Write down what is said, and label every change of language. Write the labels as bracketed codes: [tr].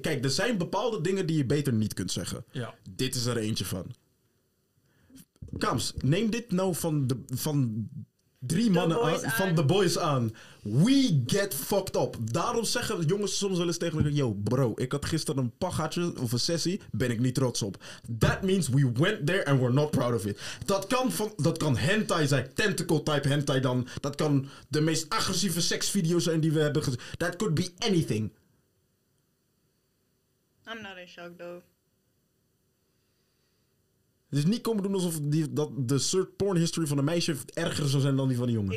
[nl] Kijk, er zijn bepaalde dingen die je beter niet kunt zeggen. Ja. Dit is er eentje van. Kams, neem dit nou van drie mannen aan, van de boys aan. [en] We get fucked up. [nl] Daarom zeggen jongens soms wel eens tegen me: yo, bro, ik had gisteren een pagaatje of een sessie. Ben ik niet trots op. [en] That means we went there and we're not proud of it. [nl] Dat kan hentai zijn. Tentacle type hentai dan. Dat kan de meest agressieve seksvideo zijn die we hebben gezien. [en] That could be anything. I'm not in shock, though. [nl] Dus niet komen doen alsof dat de soort porn history van een meisje erger zou zijn dan die van een jongen.